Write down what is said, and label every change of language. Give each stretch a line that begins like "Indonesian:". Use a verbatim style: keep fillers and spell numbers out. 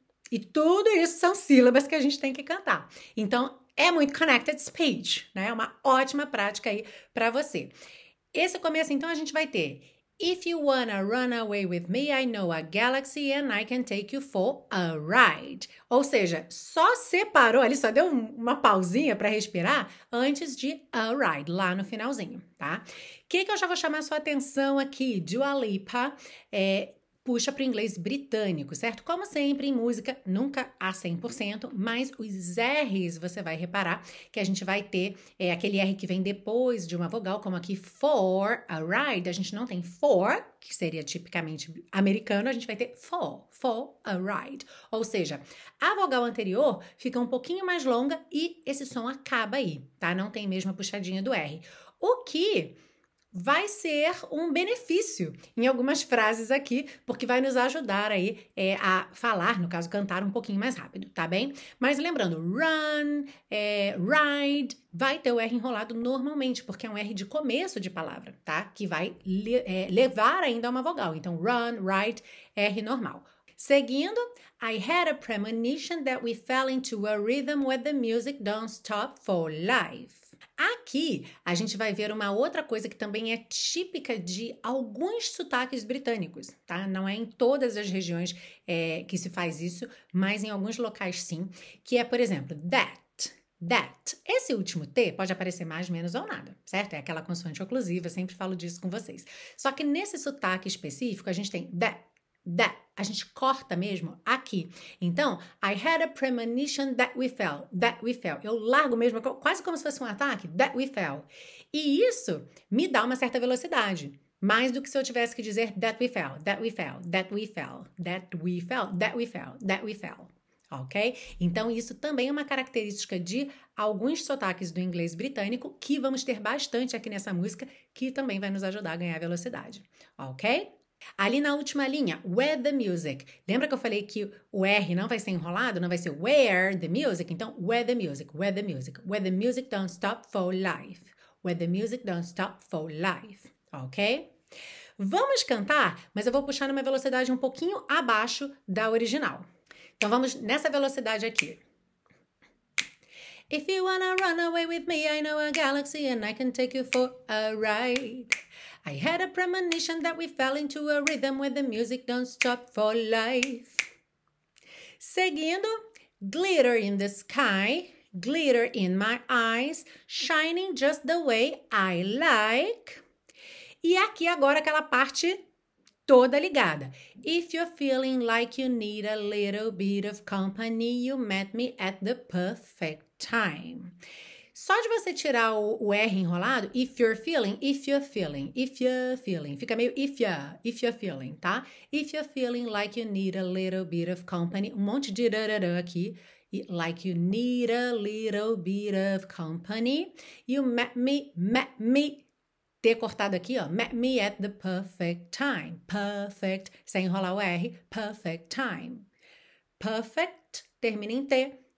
Portuguese: E tudo isso são sílabas que a gente tem que cantar. Então, é muito connected speech, né? É uma ótima prática aí para você. Esse começo, então, a gente vai ter...
English: If you wanna run away with me, I know a galaxy and I can take you for a ride.
Portuguese: Ou seja, só separou ali, só deu uma pausinha para respirar antes de a ride, lá no finalzinho, tá? O que, que eu já vou chamar a sua atenção aqui? Dua Lipa é, puxa para o inglês britânico, certo? Como sempre, em música, nunca há cem por cento, mas os R's você vai reparar que a gente vai ter é, aquele R que vem depois de uma vogal, como aqui
English: for a ride,
Portuguese: a gente não tem for, que seria tipicamente americano, a gente vai ter for, for a ride. Ou seja, a vogal anterior fica um pouquinho mais longa e esse som acaba aí, tá? Não tem mesmo a puxadinha do R. O que vai ser um benefício em algumas frases aqui, porque vai nos ajudar aí é, a falar, no caso, cantar um pouquinho mais rápido, tá bem? Mas lembrando, run, é, ride, vai ter o R enrolado normalmente, porque é um R de começo de palavra, tá? Que vai le- é, levar ainda a uma vogal. Então, run, ride, R normal.
English: Seguindo, I had a premonition that we fell into a rhythm where the music don't stop for life.
Portuguese: Aqui, a gente vai ver uma outra coisa que também é típica de alguns sotaques britânicos, tá? Não é em todas as regiões é, que se faz isso, mas em alguns locais sim, que é, por exemplo, that. That. Esse último T pode aparecer mais, menos ou nada, certo? É aquela consoante oclusiva, eu sempre falo disso com vocês. Só que nesse sotaque específico, a gente tem that, that. A gente corta mesmo aqui.
English: Então, I had a premonition that we fell. That we fell.
Portuguese: Eu largo mesmo, quase como se fosse um ataque.
English: That we fell.
Portuguese: E isso me dá uma certa velocidade. Mais do que se eu tivesse que dizer
English: that we fell, that we fell, that we fell, that we fell, that we fell, that we fell.
Portuguese: Ok? Então, isso também é uma característica de alguns sotaques do inglês britânico que vamos ter bastante aqui nessa música, que também vai nos ajudar a ganhar velocidade. Ok? Ali na última linha,
English: with the music.
Portuguese: Lembra que eu falei que o R não vai ser enrolado? Não vai ser
English: where the music? Então, with the music, with the music. With the music don't stop for life. With the music don't stop for life.
Portuguese: Ok? Vamos cantar, mas eu vou puxar numa velocidade um pouquinho abaixo da original. Então, vamos nessa velocidade aqui.
English: If you wanna run away with me, I know a galaxy and I can take you for a ride. I had a premonition that we fell into a rhythm where the music don't stop for life. Seguindo, glitter in the sky, glitter in my eyes, shining just the way I like.
Portuguese: E aqui agora aquela parte toda ligada.
English: If you're feeling like you need a little bit of company, you met me at the perfect time.
Portuguese: Só de você tirar o, o R enrolado,
English: if you're feeling, if you're feeling,
Portuguese: if you're feeling, fica meio
English: if you're, if you're feeling,
Portuguese: tá?
English: If you're feeling like you need a little bit of company,
Portuguese: um monte de rararã aqui, e
English: like you need a little bit of company, you met me, met me,
Portuguese: ter cortado aqui, ó,
English: met me at the perfect time, perfect,
Portuguese: sem enrolar o R,
English: perfect time, perfect,
Portuguese: termina em T.